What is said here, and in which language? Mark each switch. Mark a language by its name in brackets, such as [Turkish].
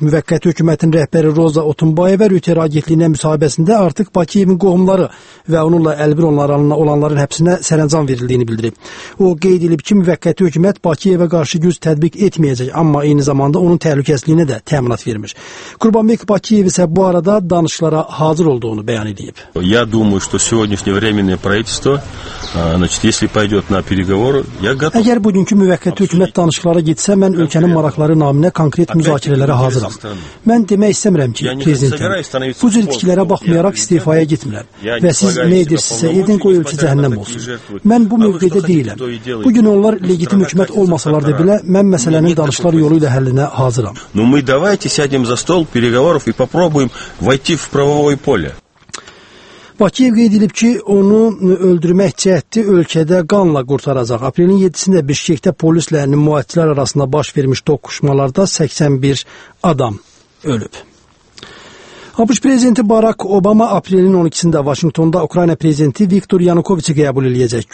[Azerbaijani] Müvəqqəti hökumətin rəhbəri Roza Otunbayeva Rüter agentliyinə müsahibəsində artıq Bakiyevin qohumları və onunla əlbir olanların həbsinə sərəncam verildiyini bildirib. O qeyd edib ki, müvəqqəti hökumət Bakiyevə qarşı güc tətbiq etməyəcək, amma eyni zamanda onun təhlükəsizliyinə də təminat vermiş. Qurbanbek Bakiyev isə bu arada danışıqlara hazır olduğunu bəyan edib. [Russian] Я думаю, что сегодняшнее временное правительство, значит, если пойдёт на переговоры, я готов. [Azerbaijani] Əgər bugünkü müvəqqəti hökumət danışıqlara getsə, mən ölkənin maraqları naminə konkret müzakirələrə hazıram. Mən demək istəmirəm ki, prezident bu cür itkilərə baxmayaraq istifaya getmirəm. Və siz nə edirsinizsə edin, qoy ölkə cəhənnəm olsun. Mən bu mövqedə deyiləm. Bugün onlar legitim hökumət olmasalar da belə, mən məsələnin danışıqlar yolu ilə həllinə hazıram. [Russian] Ну мы давайте сядем за стол переговоров и попробуем войти в правовое поле. [Azerbaijani] Bakiyev qeyd edib ki, onu öldürmək cəhdi ölkədə qanla qurtaracaq. Aprelin 7-sində Bişkekdə polislə nümayəndələr arasında baş vermiş toqquşmalarda 81 adam ölüb. ABŞ prezidenti Barack Obama aprelin 12-sində Vaşinqtonda Ukrayna prezidenti Viktor Yanukoviçi qəbul eləyəcək.